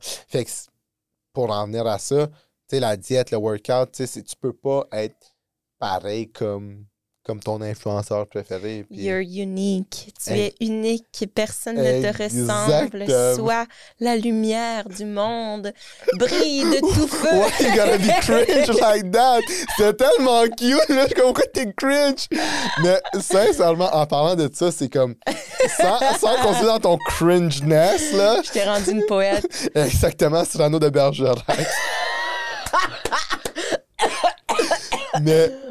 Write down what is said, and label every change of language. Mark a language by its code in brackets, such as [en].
[fr] Fait que pour en venir à ça, tu sais, la diète, le workout, tu sais, tu peux pas être pareil comme ton influenceur préféré. Pis... [en] You're unique. [fr] Tu es unique. Personne ne te ressemble. Sois la lumière du monde. Brille de tout feu. [en] Why you gotta be cringe like that? [fr] C'est tellement cute. Je comprends que t'es cringe. Mais sincèrement, en parlant de ça, c'est comme... Sans qu'on soit dans ton cringe-ness, là... Je t'ai rendu une poète. Exactement, Cyrano de Bergerac. Mais...